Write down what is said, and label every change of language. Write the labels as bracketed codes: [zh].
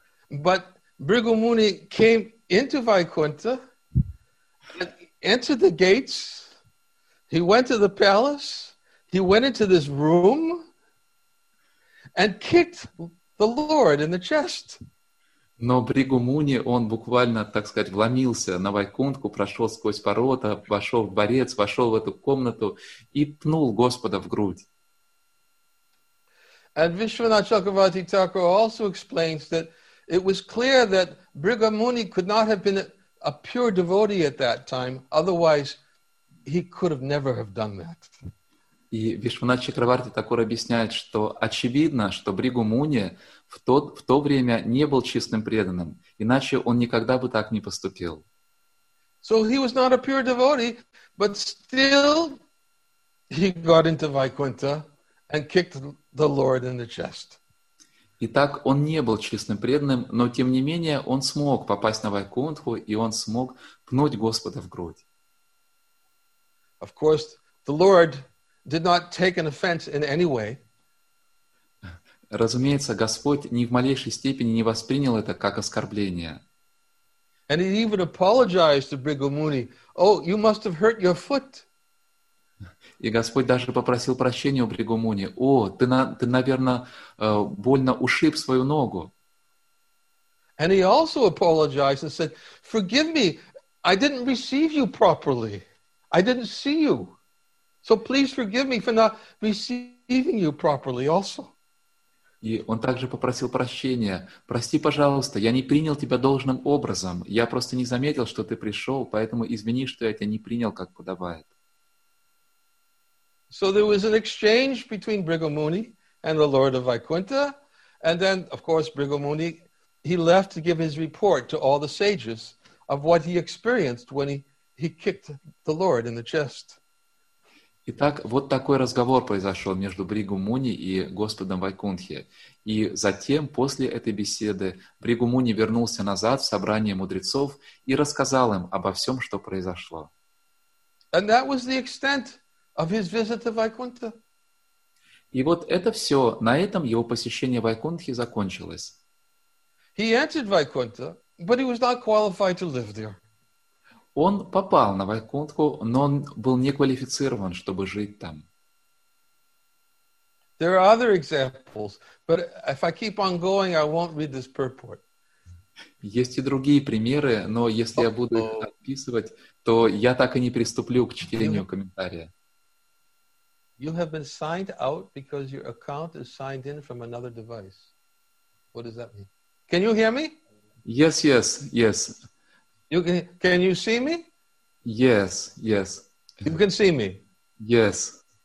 [en] But Bhrigu Muni came into Vaikuntha and entered the gates. He went to the palace. He went into this room and kicked the Lord in the chest. [ru] Но Бригу Муни, он буквально, так сказать, вломился на Вайкунтху, прошел сквозь ворота, вошел в борец, вошел в эту комнату и пнул Господа в грудь. [en] And Vishwanath Chakravarti Thakur also explains that it was clear that Bhrigu Muni could not have been a pure devotee at that time, otherwise he could have never have done that. [ru] И Вишванат Чакраварти Такур объясняет, что очевидно, что Бригу Муни в то время не был чистым преданным, иначе он никогда бы так не поступил. [en] So he was not a pure devotee, but still he got into Vaikuntha and kicked the Lord in the chest. [ru] Итак, он не был чистым преданным, но тем не менее он смог попасть на Вайкунтху, и он смог пнуть Господа в грудь. [en] Of course, the Lord did not take an offense in any way. [ru] Разумеется, Господь ни в малейшей степени не воспринял это как оскорбление. [en] And he even apologized to Bhrigu Muni. Oh, you must have hurt your foot. [ru] И Господь даже попросил прощения у Бригу Муни. О, ты, наверное, больно ушиб свою ногу. [en] And he also apologized and said, "Forgive me, I didn't receive you properly. I didn't see you. So please forgive me for not receiving you properly also." [ru] И он также попросил прощения. Прости, пожалуйста, я не принял тебя должным образом. Я просто не заметил, что ты пришел, поэтому извини, что я тебя не принял, как подобает. [en] So there was an exchange between Bhrigu Muni and the Lord of Vaikuntha. And then, of course, Bhrigu Muni, he left to give his report to all the sages of what he experienced when he kicked the Lord in the chest. [ru] Итак, вот такой разговор произошел между Бригу Муни и Господом Вайкунтхи. И затем, после этой беседы, Бригу Муни вернулся назад в собрание мудрецов и рассказал им обо всем, что произошло. [en] And that was the extent of his visit to Vaikuntha. [ru] И вот это все, на этом его посещение Вайкунтхи закончилось. [en] He entered Vaikuntha, but he was not qualified to live there. [ru] Он попал на Вайкунтху, но он был не квалифицирован, чтобы жить там. [en] There are other examples, but if I keep on going, I won't read this purport. [ru] Есть и другие примеры, но если я буду это описывать, то я так и не приступлю к чтению комментария. [en] You have been signed out because your account is signed in from another device. What does that mean? Can you hear me? Yes, yes, yes. Can you see me? Yes, yes. You can see me? Yes.